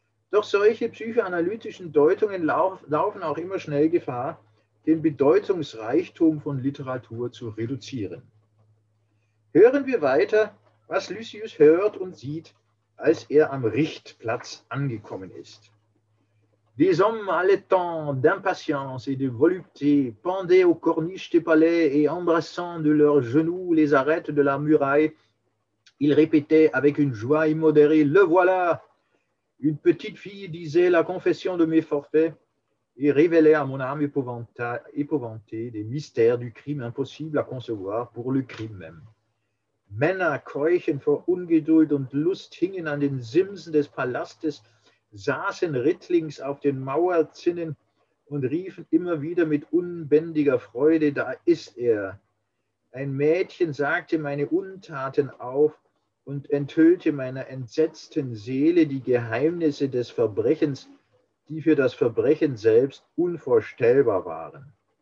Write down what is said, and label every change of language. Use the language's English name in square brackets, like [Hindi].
[German] Doch solche psychoanalytischen Deutungen laufen auch immer schnell Gefahr, den Bedeutungsreichtum von Literatur zu reduzieren. Hören wir weiter, was Lucius hört und sieht, als er am Richtplatz angekommen ist. [French] Des hommes haletants d'impatience et de volupté, pendaient aux corniches des palais et embrassant de leurs genoux les arêtes de la muraille, ils répétaient avec une joie immodérée, le voilà! Une petite fille disait la confession de mes forfaits et révélait à mon âme épouvantée des mystères du crime impossible à concevoir pour le crime même. [German] Männer keuchend vor Ungeduld und Lust hingen an den Simsen des Palastes, saßen rittlings auf den Mauerzinnen und riefen immer wieder mit unbändiger Freude, da ist er. Ein Mädchen sagte meine Untaten auf und enthüllte meiner entsetzten Seele die Geheimnisse des Verbrechens, die für das Verbrechen selbst unvorstellbar waren.